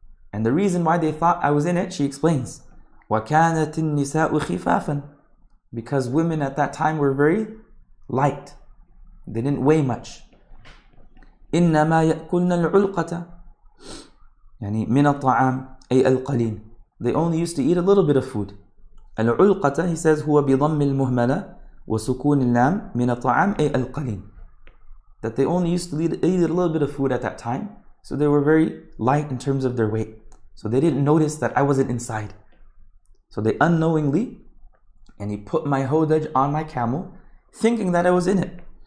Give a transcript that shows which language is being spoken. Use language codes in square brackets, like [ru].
[en] And the reason why they thought I was in it, she explains, [ar] وَكَانَتِ النِّسَاءُ خِفَافًا. [en] Because women at that time were very light. They didn't weigh much. [ar] إِنَّمَا يَأْكُلْنَ الْعُلْقَةَ يعني مِنَ الطَّعَامِ أي الْقَلِيمِ. [en] They only used to eat a little bit of food. [ar] الْعُلْقَةَ [en] he says [ar] هُوَ بِضَمِّ الْمُهْمَلَةِ وَسُكُونِ اللَّامِ مِنَ الطَّعَامِ أي الْقَلِيمِ. [en] That they only used to eat a little bit of food at that time. So they were very light in terms of their weight. So they didn't notice that I wasn't inside. So they unknowingly, and he put my hodaj on my camel, thinking that I was in it.